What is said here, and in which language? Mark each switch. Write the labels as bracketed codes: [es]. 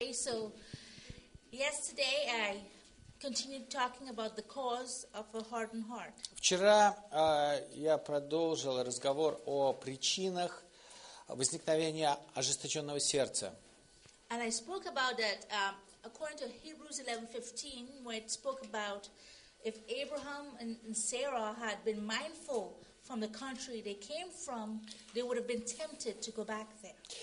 [en] Okay, so yesterday I continued talking about the cause of a hardened heart. [ru] Вчера я продолжил разговор о причинах возникновения ожесточенного сердца. [en] And I spoke about that according to Hebrews 11:15, where it spoke about if Abraham and Sarah had been mindful from the country they came from, they would have been tempted to go back there.